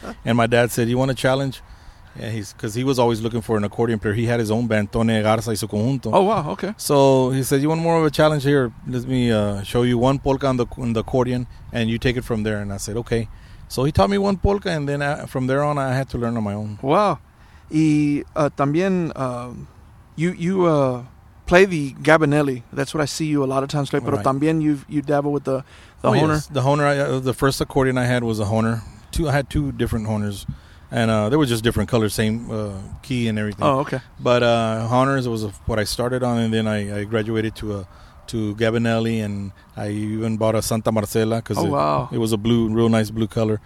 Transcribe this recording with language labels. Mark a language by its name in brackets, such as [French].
[English] And my dad said, you want a challenge? Yeah, because he was always looking for an accordion player. He had his own band, Tony Garza [Spanish] y su conjunto. [English] Oh, wow, okay. So he said, you want more of a challenge here? Let me show you one polka on the accordion, and you take it from there. And I said, okay. So he taught me one polka, and then from there on, I had to learn on my own. Wow. [Spanish] Y también, [English] you play the Gabinelli. That's what I see you a lot of times play. Right. [Spanish] Pero también [English] you dabble with the Hohner. Yes. The Hohner, the first accordion I had was a Hohner. I had two different Hohners. And they were just different colors, same key and everything. Oh, okay. But Hohners was what I started on, and then I graduated to Gabinelli, and I even bought a Santa Marcella because it was a blue, real nice blue color.